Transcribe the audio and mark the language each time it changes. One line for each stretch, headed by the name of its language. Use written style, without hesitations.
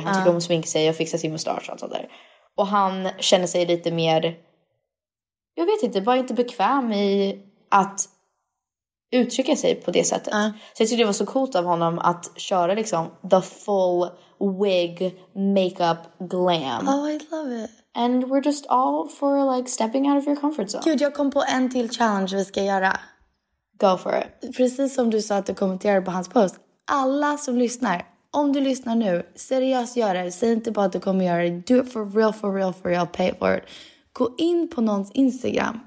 Swedish: Han tycker om att sminka sig och fixa sin mustasch och sånt där. Och han känner sig lite mer... Jag vet inte, bara inte bekväm i att uttrycka sig på det sättet. Mm. Så jag tyckte det var så coolt av honom att köra liksom
English: the full... wig, makeup, glam. Oh, I love it. And we're just all for like stepping out of your comfort zone.
Swedish: Gud, jag kom på en till challenge vi ska göra.
English: Go for it.
Swedish: Precis som du sa att du kommenterade på hans post. Alla som lyssnar, om du lyssnar nu, seriöst gör det. Säg inte bara att du kommer göra det.
English: Do it for real. Pay for it.
Swedish: Gå in på någons Instagram.